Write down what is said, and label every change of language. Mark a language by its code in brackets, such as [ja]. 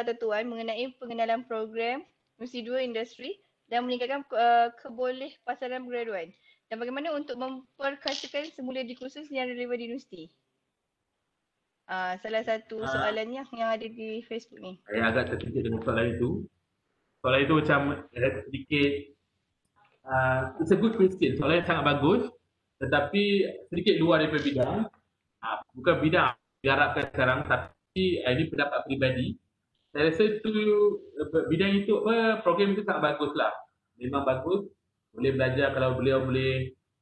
[ms] atau Tuan mengenai pengenalan program Universiti Dua Industri dan meningkatkan keboleh pasaran pergraduan? Dan bagaimana untuk memperkasakan semula di kursus yang relevan di universiti? Salah satu soalannya yang ada di Facebook ni. Saya agak terkejut dengan soalan itu. Soalan itu macam sedikit [en] it's a good question. [ms] Soalan yang sangat bagus tetapi sedikit luar daripada bidang. Bukan bidang diharapkan sekarang, tapi ini pendapat peribadi. Saya rasa tu bidang itu apa, program itu sangat bagus lah. Memang bagus. Boleh belajar kalau beliau boleh.